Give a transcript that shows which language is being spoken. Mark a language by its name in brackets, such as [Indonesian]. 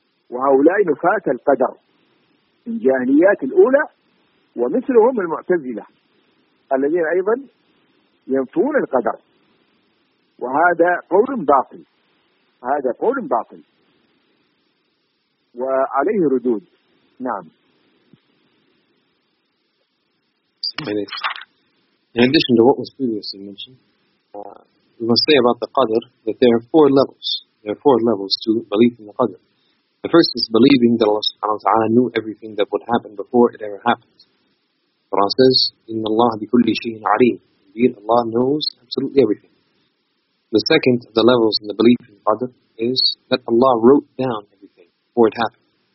[Arabic] وهؤلاء نفاة القدر من جاهليات الأولى، ومثلهم المعتزلة الذين أيضا ينفون القدر، وهذا قول باطل، هذا قول باطل وعليه ردود. نعم عليك. [English] In addition to what was previously mentioned, we must say about the Qadr that there are four levels to belief in the Qadr. The first is believing that Allah subhanahu wa ta'ala knew everything that would happen before it ever happened. Quran says, [Arabic] إِنَّ اللَّهَ بِكُلِّ شَيْءٍ عَلِيمٍ. [English] Indeed, Allah knows absolutely everything. The second of the levels in the belief in Qadr is that Allah wrote down everything before it happened.